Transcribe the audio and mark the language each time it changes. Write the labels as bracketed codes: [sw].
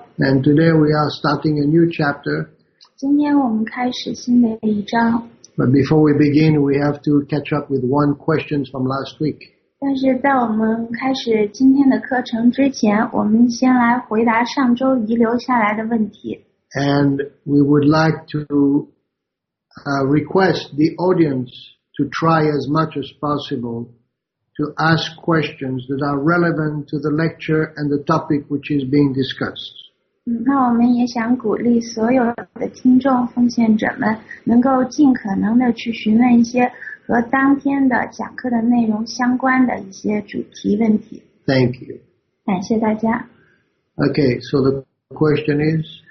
[en] And today we are starting a new chapter. [zh] 今天我们开始新的一章。 [en] But before we begin, we have to catch up with one question from last week. [zh] 但是在我们开始今天的课程之前，我们先来回答上周遗留下来的问题。 [en] And we would like to request the audience to try as much as possible to ask questions that are relevant to the lecture and the topic which is being discussed. [zh] 那我们也想鼓励所有的听众奉献者们能够尽可能的去询问一些和当天的讲课的内容相关的一些主题问题。 [en] Thank you. [zh] 感谢大家。 [en] Okay, so the question is...